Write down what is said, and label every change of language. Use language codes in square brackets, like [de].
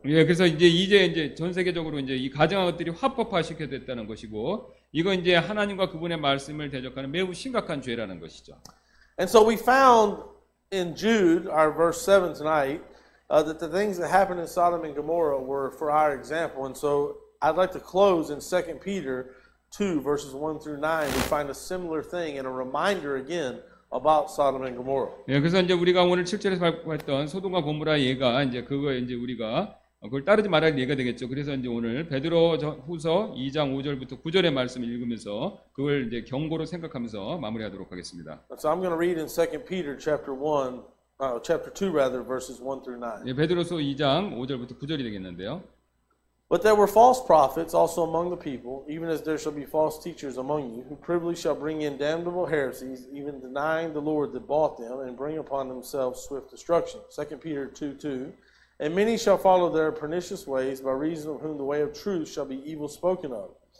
[ko] 예, 그래서 이제 전 세계적으로 이제 이 가정화 것들이 합법화시켜 됐다는 것이고 이건 이제 하나님과 그분의 말씀을 대적하는 매우 심각한 죄라는 것이죠. [en] And so we found in Jude, our verse 7 tonight, that the things that happened in Sodom and Gomorrah were for our example. And so I'd like to close in 2 Peter 2, verses 1 through 9. We find a similar thing and a reminder again about Sodom and Gomorrah. [ko] 예, 그래서 이제 우리가 오늘 7절에서 봤던 소돔과 고모라 예가 이제 그거 이제 우리가 그걸 따르지 말아야 할 예가 되겠죠. 그래서 이제 오늘 베드로 후서 2장 5절부터 9절의 말씀을 읽으면서 그걸 이제 경고로 생각하면서 마무리하도록 하겠습니다. [en] So I'm going to read in 2 Peter chapter 1, chapter 2 rather, verses 1 through 9. [ko] 예, 베드로서 2장 5절부터 9절이 되겠는데요. [en] But there were false prophets also among the people, even as there shall be false teachers among you, who privily shall bring in damnable heresies, even denying the Lord that bought them, and bring upon themselves swift destruction. 2 Peter 2, 2. And many shall follow their pernicious ways, by reason of whom the way of truth shall be evil spoken of.